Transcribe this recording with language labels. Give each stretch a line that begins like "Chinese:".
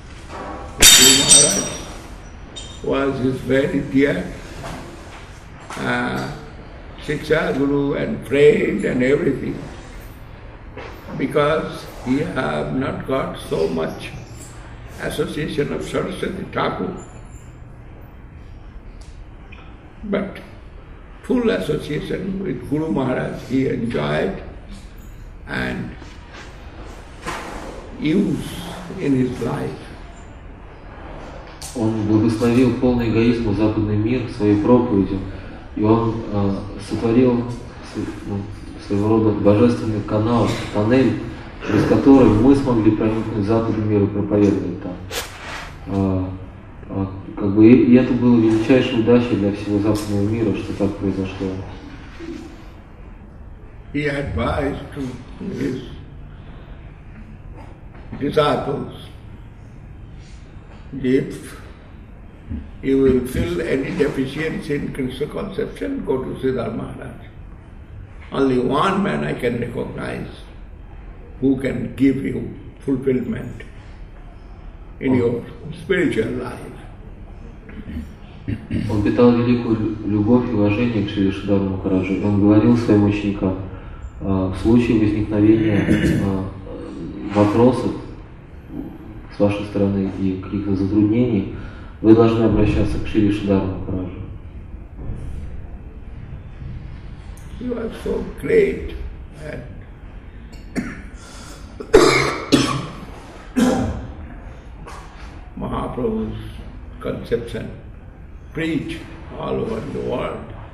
English: Guru Maharaj was his very dear Shiksha Guru and friend and everything, because he have not got so much association of Saraswati Thakur, but full association with Guru Maharaj he enjoyed and used in his life.
Russian: Он благословил полный эгоизм западный мир своей проповедью, и он сотворил своего рода божественный канал, тоннель, через который мы смогли проникнуть в западный мир и проповедовать там. Как бы, и это было величайшей удачей для всего западного мира, что так произошло.
English: He advised to his disciples, if you will feel any deficiency in Krishna conception, go to Siddhartha Maharaj. Only one man I can recognize who can give you fulfillment in your spiritual life.
Russian: Он питал великую любовь и уважение к Шри Сиддхарте Махараджу. Он говорил своим ученикам, в случае возникновения вопросов с вашей стороны и каких-то затруднений, вы должны обращаться к Шри Сиддхарте Махараджу.
English: You are so great that Mahaprabhu's conception preach all over the world.